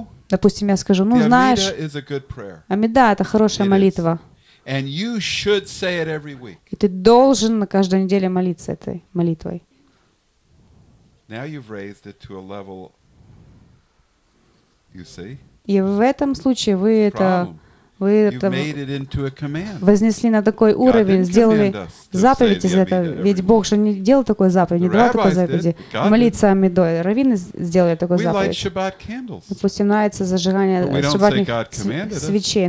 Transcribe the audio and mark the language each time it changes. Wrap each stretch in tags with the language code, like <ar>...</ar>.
<ru>Допустим, я скажу, ну знаешь, Амида — это хорошая молитва. И ты должен на каждой неделе молиться этой молитвой.</ru> <en>Now you've raised it to a level, you see?</en> <ru>И в этом случае вы это вознесли на такой уровень, сделали заповедь из этого. Ведь Бог же не делал такой заповедь, не давал такой заповеди. Молиться Амидой. Раввины сделали такой заповедь. Допустим, нравится зажигание шаббатных свечей.</ru>